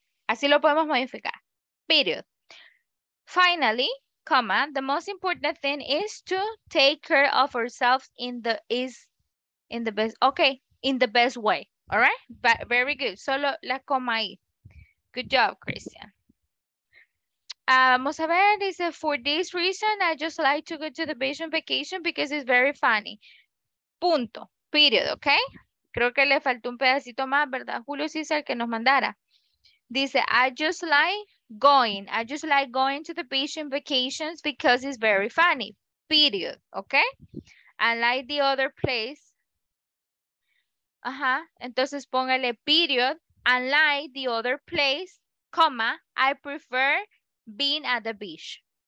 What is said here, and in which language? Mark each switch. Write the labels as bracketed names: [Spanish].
[Spanish] Así lo podemos modificar. [English] Period. Finally, comma, the most important thing is to take care of ourselves in the best way. All right? But very good. [Spanish] Solo la coma ahí. [English] Good job, Christian. [Spanish] Vamos a ver, dice, [English] for this reason, I just like to go to the beach on vacation because it's very funny. [Spanish] Punto. [English] Period, [Spanish] ¿ok? Creo que le faltó un pedacito más, ¿verdad? Julio César, que nos mandara. [English] Dice, I just like going to the beach in vacations because it's very funny. Period, ¿ok? Unlike the other place. [Spanish] Ajá, entonces póngale period. [English] Unlike the other place, comma, I prefer being at the beach.